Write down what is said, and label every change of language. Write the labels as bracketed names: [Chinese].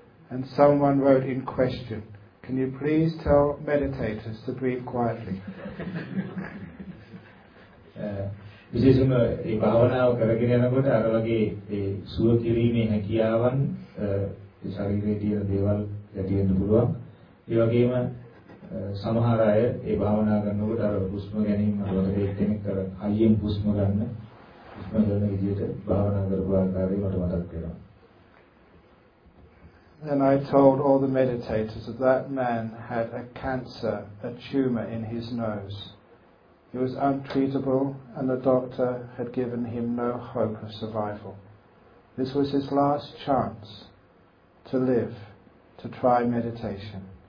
[English] And someone wrote in question, can you please tell meditators to breathe quietly? [Sinhala] විශේෂයෙන්ම ඒ භාවනාව කරගෙන යනකොට අර වගේ ඒ සුව කිරීමේ හැකියාවන් ශරීරයේ තියෙන දේවල් ඇති වෙන්න පුළුවන්. ඒ වගේම සමහර අය ඒ භාවනා කරනකොට අර හුස්ම ගැනීම වගේ කෙනෙක් අර හයියෙන් හුස්ම ගන්න හුස්ම ගන්න විදිහට භාවනා කරපු ආකාරය මට මතක් වෙනවා. [English] Then I told all the meditators that man had a cancer, a tumor in his nose. He was untreatable and the doctor had given him no hope of survival. This was his last chance to live, to try meditation.